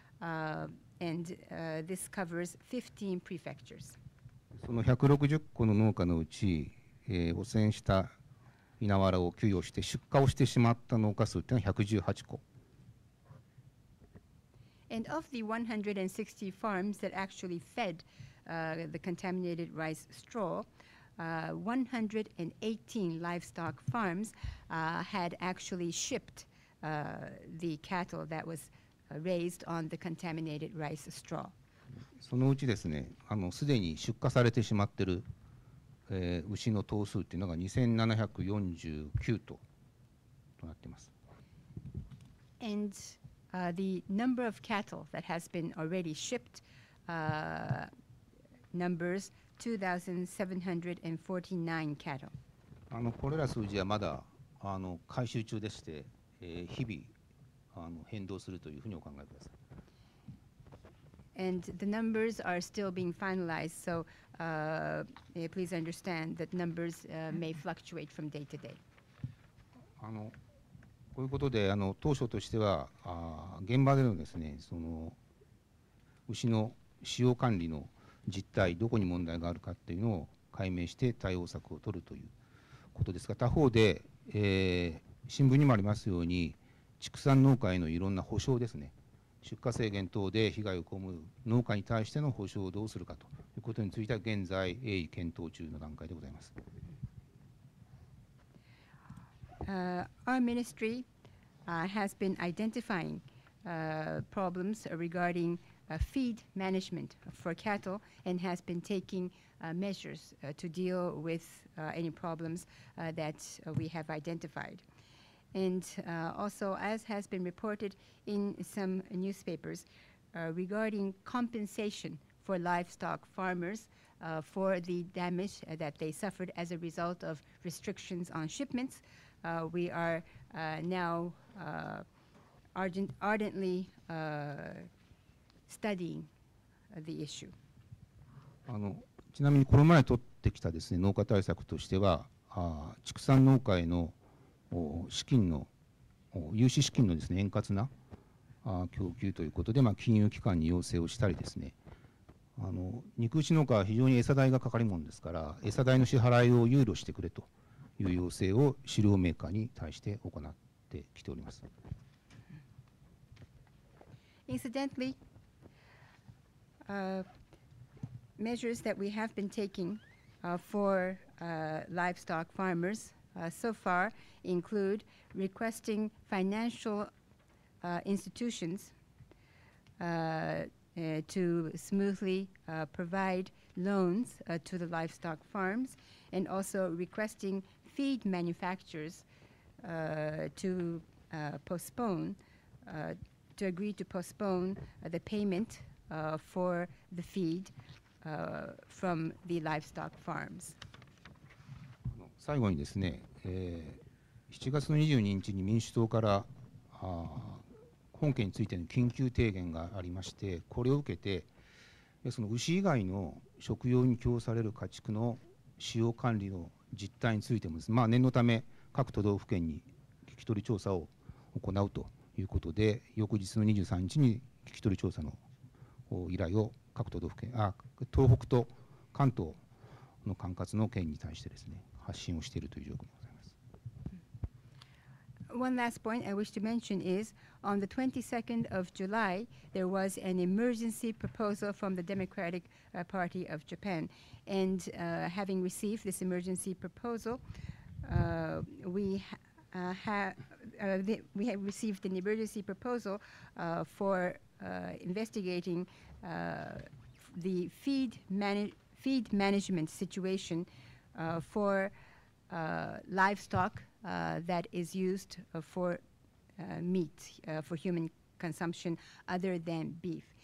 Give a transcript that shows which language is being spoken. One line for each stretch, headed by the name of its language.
English: And this covers 15 prefectures.
Japanese: その160戸の農家のうち、汚染した稲わらを給与して出荷をしてしまった農家数というのは118戸。
English: And of the 160 farms that actually fed the contaminated rice straw, 118 livestock farms had actually shipped the cattle that was raised on the contaminated rice straw.
Japanese: そのうちですね、すでに出荷されてしまっている、牛の頭数っていうのが2749頭となっています。
English: And the number of cattle that has been already shipped numbers 2,749 cattle.
Japanese: これら数字はまだ回収中でして、日々変動するというふうにお考えください。
English: And the numbers are still being finalized, so please understand that numbers may fluctuate from day to day.
Japanese: こういうことで当初としては現場でのですね、その牛の使用管理の実態、どこに問題があるかっていうのを解明して対応策を取るということですが、他方で、新聞にもありますように畜産農家へのいろんな補償ですね、出荷制限等で被害を被る農家に対しての補償をどうするかということについては現在鋭意検討中の段階でございます。
English: Our ministry has been identifying problems regarding feed management for cattle and has been taking measures to deal with any problems that we have identified. And also, as has been reported in some newspapers, regarding compensation for livestock farmers for the damage that they suffered as a result of restrictions on shipments, we are now ardently studying the issue.
Japanese: ちなみにこれまで取ってきたですね、農家対策としては、畜産農家への資金の融資資金のですね、円滑な供給ということで、まあ、金融機関に要請をしたりですね、肉牛農家は非常に餌代がかかるものですから、餌代の支払いを憂慮してくれという要請を飼料メーカーに対して行ってきております。
English: Incidentally, measures that we have been taking for livestock farmers so far include requesting financial institutions to smoothly provide loans to the livestock farms, and also requesting feed manufacturers to postpone, to agree to postpone the payment for the feed from the livestock farms.
Japanese: 最後にですね、7月の22日に民主党から本件についての緊急提言がありまして、これを受けてその牛以外の食用に供される家畜の使用管理の実態についてもですね、まあ、念のため各都道府県に聞き取り調査を行うということで、翌日の23日に聞き取り調査の依頼を各都道府県、東北と関東の管轄の県に対してですね、発信をしているという状況でございます。
English: One last point I wish to mention is on the 22nd of July, there was an emergency proposal from the Democratic Party of Japan. And having received this emergency proposal, we have received an emergency proposal for investigating the feed management situation for livestock that is used for meat for human consumption other than beef.